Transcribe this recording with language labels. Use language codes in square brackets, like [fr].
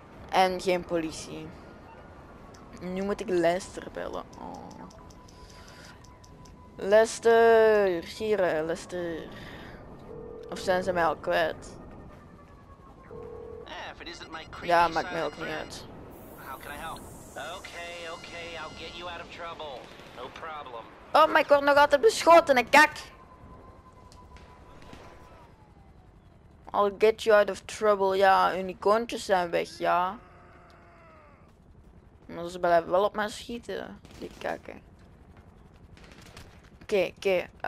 [nl] En geen politie. Nu moet ik Lester bellen. Oh. Lester, hier, Lester. Of zijn ze mij al kwijt? [en] If it isn't [nl] Ja, maakt mij ook niet uit. [en] How can I help? Okay, okay, I'll get you out of trouble. No problem. [nl] Oh, maar ik word nog altijd beschoten, een kak. [en] I'll get you out of trouble. [nl] Ja, hun icoontjes zijn weg, ja. Maar ze blijven wel op mij schieten, die kakken. Oké, oké.